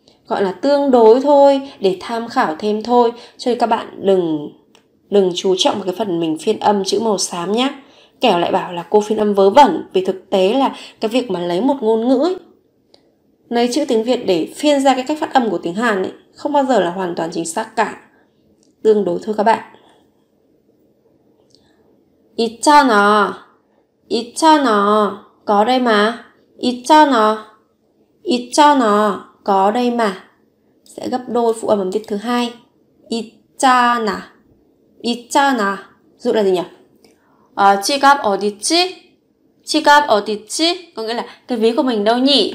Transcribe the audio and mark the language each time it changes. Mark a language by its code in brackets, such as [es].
[vi] Gọi là tương đối thôi, để tham khảo thêm thôi. Cho nên các bạn đừng chú trọng vào cái phần mình phiên âm chữ màu xám nhé. Kẻo lại bảo là cô phiên âm vớ vẩn. Vì thực tế là cái việc mà lấy một ngôn ngữ ấy, lấy chữ tiếng Việt để phiên ra cái cách phát âm của tiếng Hàn ấy, không bao giờ là hoàn toàn chính xác cả. Tương đối thôi các bạn. [ko] 있잖아, 있잖아, 거래 마, 있잖아, 있잖아, 거래 마. [vi] Sẽ gấp đôi phụ âm âm tiết thứ hai. [ko] 있잖아, 있잖아. [vi] Dụ là gì nhỉ? [ko] 지갑 어디지? 지갑 어디지? [vi] Có nghĩa là cái ví của mình đâu nhỉ?